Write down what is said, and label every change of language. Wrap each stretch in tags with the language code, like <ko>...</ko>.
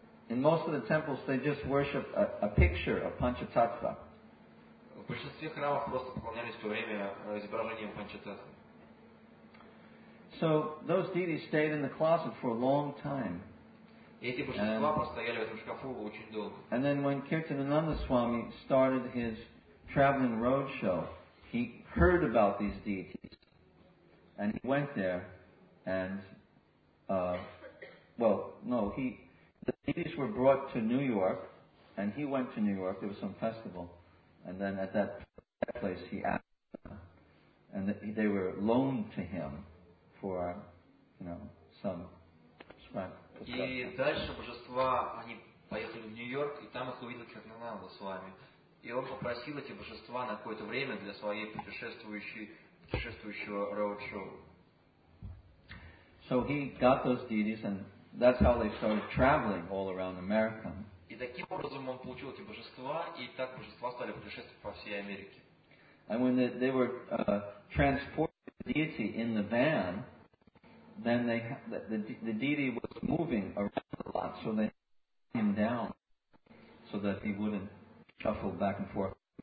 <en>In most of the temples, they just worship a picture of Panchatattva.</en> <ru>В большинстве храмов просто поклонялись в то время изображением Панчататвы.</ru> <en>So those deities stayed in the closet for a long time. And then when Kirtanananda Swami started his traveling roadshow, he heard about these deities. And he went there and, the deities were brought to New York, and he went to New York, there was some festival, and then at that place he asked them, and they were loaned to him for, some spread.</en> <ru>И дальше божества, они поехали в Нью-Йорк, и там их увидел Кирнананда с вами. И он попросил эти божества на какое-то время для своей путешествующего роуд-шоу.</ru> <en>So he got those deities, and that's how they started traveling all around America.</en> <ru>И таким образом он получил эти божества, и так божества стали путешествовать по всей Америке.</ru> <en>And when they were transporting the deity in the van, then the deity was moving around a lot, so they had him down so that he wouldn't shuffle back and forth.</en>